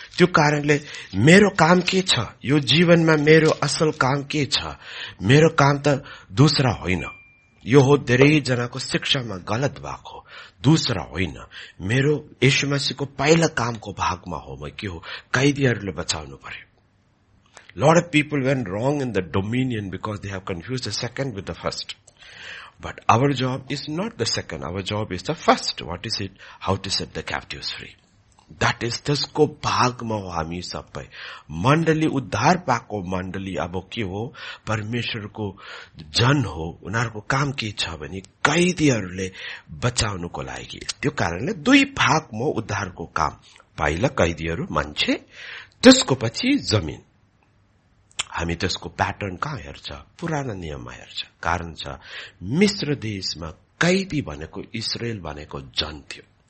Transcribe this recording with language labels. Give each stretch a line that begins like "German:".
Nepali: त्यो कारणले मेरो काम के छ यो जीवनमा, मेरो असल काम के छ? मेरो काम त दूसरा होइन, यो हो धेरैजनाको शिक्षामा गलत भएको हो, दूसरा होइन, मेरो यीशु मसीहको पहिला कामको भागमा हो। म के हो? कैदीहरूले बचाउनु पर्यो।
English: Lot of people went wrong in the dominion because they have confused the second with the first, but our job is not the second, our job is the first. What is it? How to set the captives free, that is
Nepali: त्यसको भागमा हो हामी सबै। मण्डली उद्धार पाएको मण्डली अब के हो? परमेश्वरको जन हो। उनीहरूको काम के छ भने कैदीहरूले बचाउनुको लागि। त्यो कारणले दुई भागमा उद्धारको काम, पहिला कैदीहरू मान्छे, त्यसको पछि जमिन। हामी त्यसको प्याटर्न कहाँ हेर्छ? पुराना नियममा हेर्छ। कारण छ, मिश्र देशमा कैदी भनेको इसरायल भनेको जन थियो।